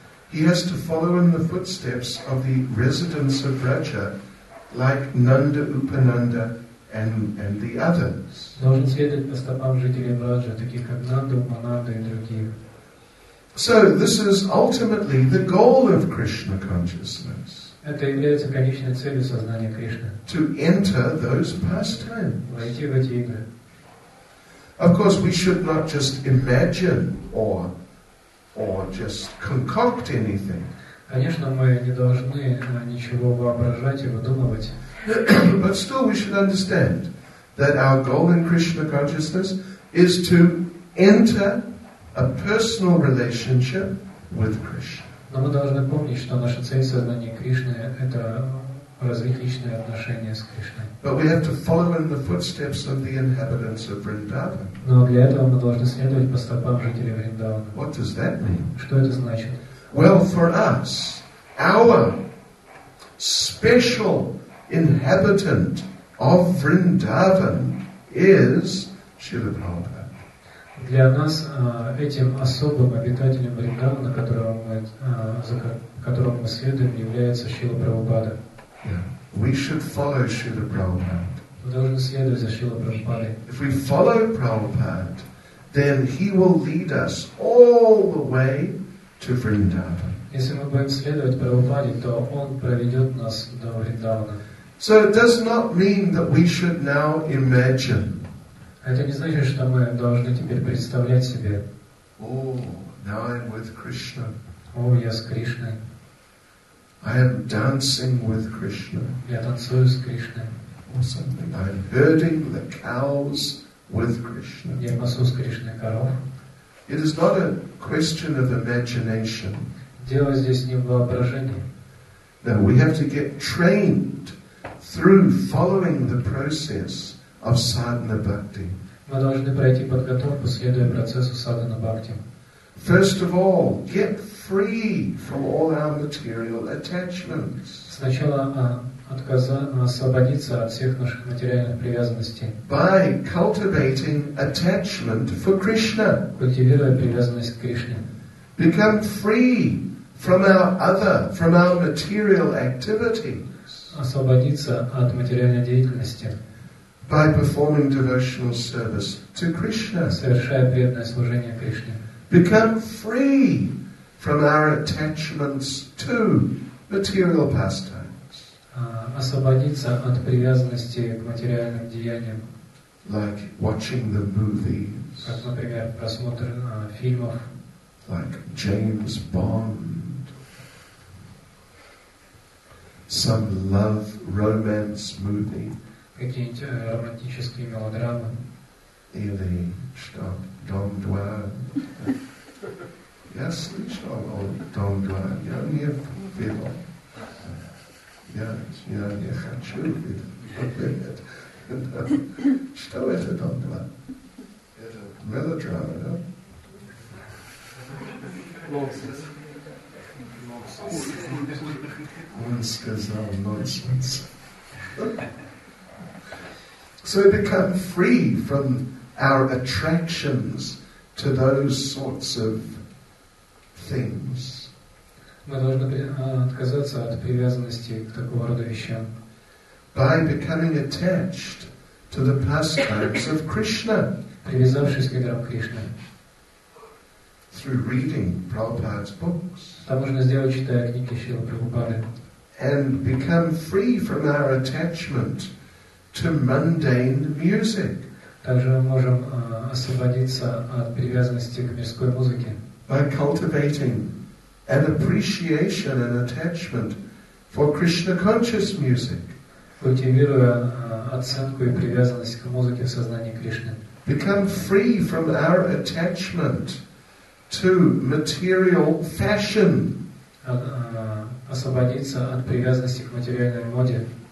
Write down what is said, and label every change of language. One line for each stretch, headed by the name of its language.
English: He has to follow in the footsteps of the residents of Vraja, like Nanda, Upananda, and the others.
Russian: Должен следовать по стопам жителей Враджа, таких как Нанда, Упананда и другие.
English: So this is ultimately the goal of Krishna consciousness.
Russian: Это является конечной целью сознания Кришны.
English: To enter those pastimes.
Russian: Войти в эти игры.
English: Of course, we should not just imagine or just concoct anything.
Russian: Конечно, мы не должны ничего воображать и выдумывать.
English: But still, we should understand that our goal in Krishna consciousness is to enter a personal relationship with Krishna.
Russian: Но мы должны помнить, что наша цель сознания Кришны — это развить личные отношения с Кришной.
English: But we have to follow in the footsteps of the inhabitants of Vrindavan.
Russian: Но для этого мы должны следовать по стопам жителей Вриндавана.
English: What does that mean?
Russian: Что это значит?
English: Well, for us, our special inhabitant of Vrindavan is Śrīla Prabhupāda.
Russian: Для нас этим особым обитателем Вриндавана, которого мы следуем, является Śrīla Prabhupāda.
English: Yeah. We should follow Śrīla Prabhupāda.
Russian: Мы должны следовать за Śrīla Prabhupādai.
English: If we follow Prabhupāda, then he will lead us all the way to Vrindavan.
Russian: Если мы будем следовать Прабхупаде, то он проведет нас до Вриндавана.
English: So it does not mean that we should now imagine.
Russian: Это не значит, что мы должны теперь представлять себе.
English: Oh, now I'm with Krishna.
Russian: О, я с Кришной.
English: I am dancing with Krishna.
Russian: Я танцую с Кришной.
English: Or something. I'm herding the cows with Krishna.
Russian: Я посол Кришны коров.
English: It is not a question of imagination.
Russian: Дело здесь не в воображении.
English: That we have to get trained through following the process of sadhana bhakti.
Russian: Мы должны пройти подготовку, следуя процессу садхана бхакти.
English: First of all, get free from all our material attachments.
Russian: Сначала освободиться от всех наших материальных привязанностей.
English: By cultivating attachment for Krishna.
Russian: Культивируя привязанность к Кришне.
English: Become free from our material activity.
Russian: Освободиться от материальной деятельности.
English: By performing devotional service to Krishna.
Russian: Совершая преданное служение Кришне.
English: Become free from our attachments to material pastimes.
Russian: Освободиться от привязанности к материальным деяниям.
English: Like watching the movies.
Russian: Как, например, просмотр фильмов.
English: Like James Bond. Some love romance movie.
Russian: Какие-нибудь романтические мелодрамы. Или что? Дом два. Я слышал о Дом два. Я не видел. Я не хочу видеть. Что это Дом два? Это мелодрама, да? Нонсенс. Он сказал нонсенс.
English: So we become free from our attractions to those sorts of things.
Russian: Мы должны отказаться от привязанности к такого рода вещам.
English: By becoming attached to the pastimes of Krishna.
Russian: Привязавшись к играм Кришны.
English: Through reading Prabhupada's books.
Russian: Там можно сделать, читая книги Шрилы Прабхупады.
English: And become free from our attachment to mundane music.
Russian: Также мы можем освободиться от привязанности к мирской музыке.
English: By cultivating an appreciation and attachment for Krishna conscious music.
Russian: Культивируя оценку и привязанность к музыке в сознании Кришны.
English: Become free from our attachment to material fashion.
Russian: Освободиться от привязанности к материальной моде.